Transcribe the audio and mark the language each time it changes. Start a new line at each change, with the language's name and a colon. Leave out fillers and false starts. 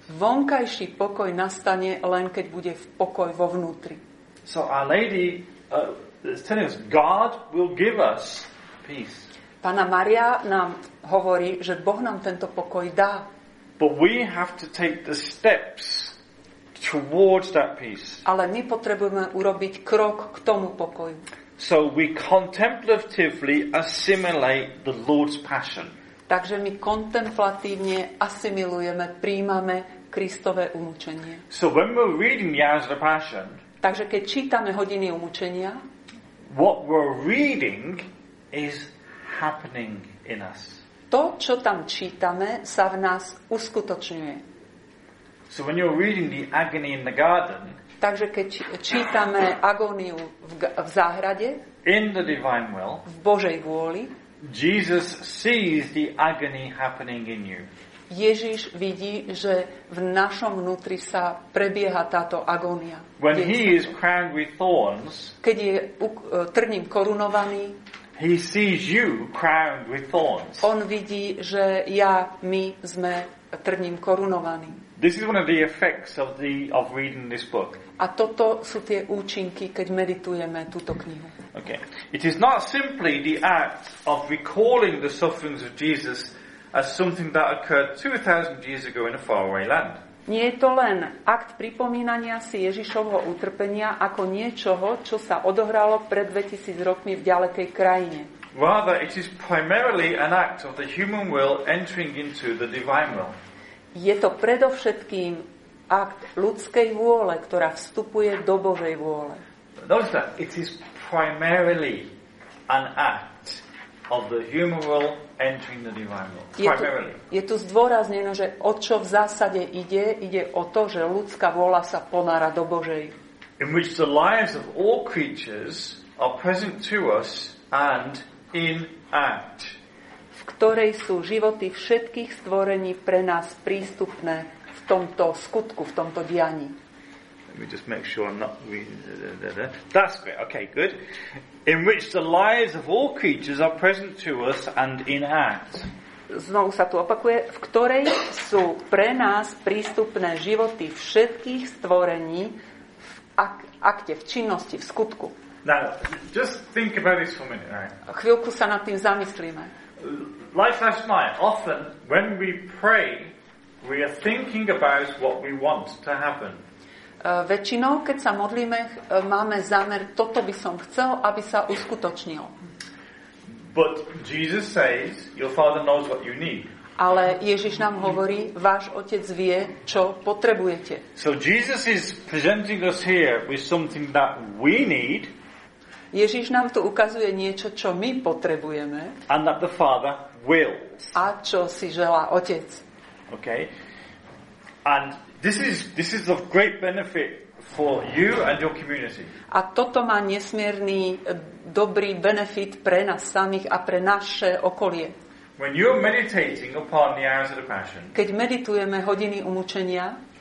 Slovak: Vonkajší pokoj nastane len keď bude pokoj vo vnútri.
English: So Our Lady is telling us God will give us peace.
Slovak: Panna Maria nám hovorí, že Boh nám tento pokoj dá.
English: But we have to take the steps towards that peace.
Slovak: Ale my potrebujeme urobiť krok k tomu pokoju.
English: So we contemplatively assimilate the Lord's passion.
Slovak: Takže my kontemplatívne asimilujeme, príjmame Kristove umučenie.
English: So when we're reading the hours of the passion,
Slovak: takže keď čítame hodiny umučenia,
English: what we're reading is happening in us.
Slovak: To, čo tam čítame, sa v nás uskutočňuje.
English: So when you're reading the agony in the garden,
Slovak: takže keď čítame agóniu v záhrade,
English: in the divine will,
Slovak: v Božej vôli,
English: Jesus sees the agony happening in you.
Slovak: Ježiš vidí, že v našom vnútri sa prebieha táto agónia.
English: When he is crowned with thorns,
Slovak: keď je trním korunovaný,
English: he sees you crowned with thorns.
Slovak: On vidí, že ja, my sme trním korunovaný.
English: This is one of the effects of reading this book.
Slovak: A toto sú tie účinky, keď meditujeme túto knihu.
English: Okay. It is not simply the act of recalling the sufferings of Jesus as something that occurred 2000 years ago in a faraway land.
Slovak: Nie je to len akt pripomínania si Ježišovho utrpenia ako niečoho, čo sa odohralo pred 2000 rokmi v ďalekej krajine.
English: Rather, it is primarily an act of the human will entering into the divine will.
Slovak: Je to predovšetkým akt ľudskej vôle, ktorá vstupuje do Božej vôle.
English: Notice that it is primarily an act of the human will entering the divine will. Primarily.
Slovak: Je tu zdôraznené, že o čo v zásade ide? Ide o to, že ľudská vôľa sa ponára do Božej.
English: In which the lives of all creatures are present to us and in act.
Slovak: V ktorej sú životy všetkých stvorení pre nás prístupné v tomto skutku, v tomto dianí.
English: Let me just make sure I'm not reading it. That's great. Okay, good. In which the lives of all creatures are present to us and in act.
Slovak: Znovu sa tu opakuje, v ktorej sú pre nás prístupné životy všetkých stvorení v akte, v činnosti, v skutku.
English: Now, just think about this for a minute. Right?
Slovak: Chvíľku sa nad tým zamyslíme.
English: Like last night, often when we pray, we are thinking about what we want to happen.
Slovak: Väčšinou, keď sa modlíme, máme zámer, toto by som chcel, aby sa uskutočnil.
English: But Jesus says, your father knows what you need.
Slovak: Ale Ježiš nám hovorí, váš otec vie, čo potrebujete.
English: So Jesus is presenting us here with something that we need.
Slovak: Ježiš nám tu ukazuje niečo, čo my potrebujeme.
English: And that the father wills.
Slovak: A čo si želá otec.
English: Okay. And this is of great benefit for you and your community.
Slovak: A toto má nesmierny dobrý benefit pre nás samých a pre naše okolie.
English: When you are meditating upon the hours of the passion.
Slovak: Keď meditujeme hodiny umučenia.